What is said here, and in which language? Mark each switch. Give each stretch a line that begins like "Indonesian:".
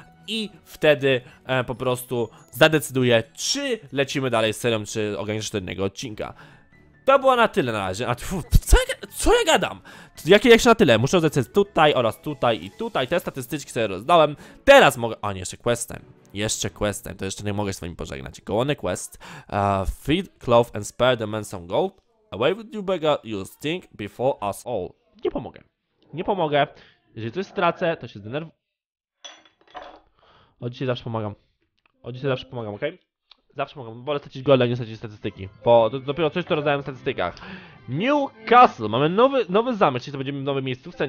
Polish: I wtedy po prostu zadecyduję, czy lecimy dalej z serią, czy ograniczę do jednego odcinka. To było na tyle na razie. Co ja gadam? Jak się na tyle? Muszę zdecydować tutaj oraz tutaj i tutaj. Te statystyczki sobie rozdałem. Teraz mogę... O nie, jeszcze questem. Jeszcze questem. To jeszcze nie mogę z wami pożegnać.
English: Go on a quest. Feed, clothe and spare the man some gold. Away with you beggar, you stink before us all.
Polish: Nie pomogę. Nie pomogę. Jeżeli coś stracę, to się zdenerwuję. Od dzisiaj zawsze pomagam. Od dzisiaj zawsze pomagam, okej? Zawsze mogę, wolę stracić golda, nie stracić statystyki. Bo to dopiero coś, co rozdałem w statystykach. New Castle, mamy nowy zamek, czyli to będzie nowe miejscówce?